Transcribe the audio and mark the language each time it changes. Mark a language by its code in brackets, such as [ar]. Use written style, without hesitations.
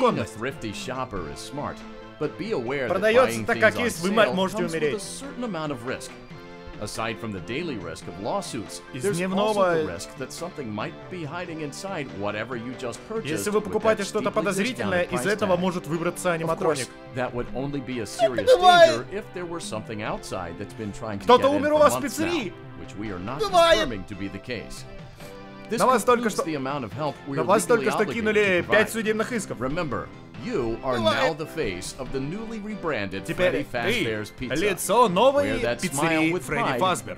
[ru] Законность. Продается так, как есть, вы можете умереть. [en] Aside from the daily risk of lawsuits, there's also the risk that something might be hiding inside whatever you just purchased. [ru] Если вы покупаете что-то подозрительное, из этого может выбраться аниматроник. [en] That would only be a serious danger if there were something outside that's been trying to get in. [ru] Кто-то умер у вас в пиццерии, [en] which we are not confirming to be the case. This is the amount of help we are legally obligated to provide. [ru] Кинули 5 судебных исков. [en] Remember, you are now the face of the newly rebranded Freddy Fazbear's Pizza. [ru] Лицо новой пиццерии Фредди Фазбер.